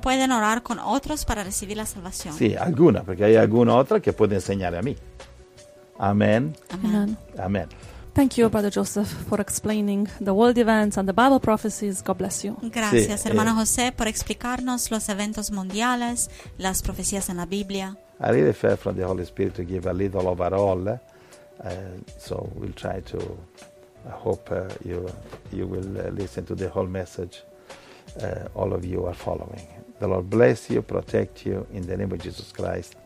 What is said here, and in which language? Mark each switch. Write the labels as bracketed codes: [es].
[es] pueden orar con otros para recibir la salvación. Sí, alguna, porque hay alguna otra que puede enseñar a mí. Amén. Amén. Amén. [en] Thank you, Brother Joseph, for explaining the world events and the Bible prophecies. God bless you. [es] Gracias, sí, hermano José, por explicarnos los eventos mundiales, las profecías en la Biblia. [en] I really felt from the Holy Spirit to give a little overall. So we'll try to, I hope you will listen to the whole message all of you are following. The Lord bless you, protect you, in the name of Jesus Christ.